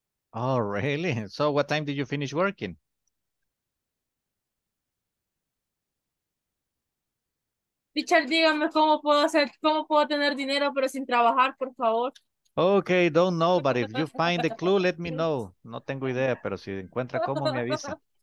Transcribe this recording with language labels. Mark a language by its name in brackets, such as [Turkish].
[English] Oh, really? So what time did you finish working? [Spanish] Teacher, dígame cómo puedo hacer, cómo puedo tener dinero pero sin trabajar, por favor. [English] Okay, don't know, but if you find the clue, let me know. [Spanish] No tengo idea, pero si encuentra cómo, me avisa.